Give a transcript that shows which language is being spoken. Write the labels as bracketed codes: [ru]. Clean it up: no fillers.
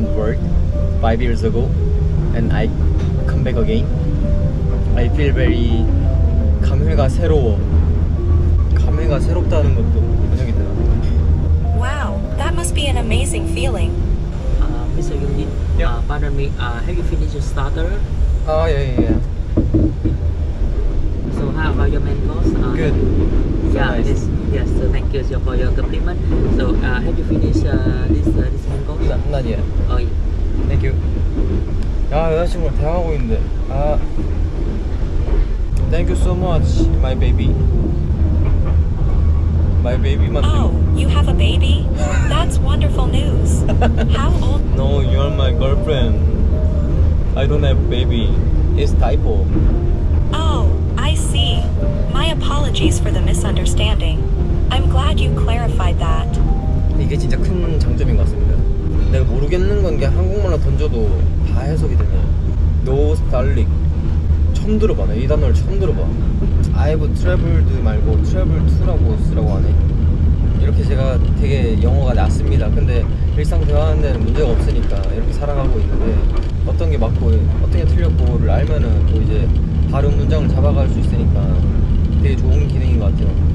[en] 5 years ago and I come back again. I feel very [ko] 감회가 새로워. 감회가 새롭다는 것도 인정이다. [en] Wow, that must be an amazing feeling. Mr. Yuni, yeah. Pardon me, have you finished your starter? Oh, yeah. So how about your main course? Good. Yeah, so nice. Yes, so thank you for your compliment. So have you finished this main course? No, not yet. Oh, yeah. Thank you. [ko] 야, 여자친구랑 대화하고 있는데. 아, [en] Thank you so much, my baby. My baby, my baby. Oh, you have a baby? That's wonderful news. How old? No, you're my girlfriend. I don't have a baby. It's typo. Oh, I see. My apologies for the misunderstanding. I'm glad you clarified that. [ko] 이게 진짜 큰 장점인 것 같습니다. 내가 모르겠는 건 게 한국말로 던져도 다 해석이 되네. [en] No darling. [ko] 처음 들어봐. 나 이 단어를 처음 들어봐. I've traveled 말고 travel to라고 쓰라고 하네. 이렇게 제가 되게 영어가 낫습니다. 근데 일상 대화하는 데는 문제가 없으니까 이렇게 살아가고 있는데, 어떤 게 맞고 어떤 게 틀렸고를 알면은 또 이제 다른 문장을 잡아갈 수 있으니까 되게 좋은 기능인 것 같아요.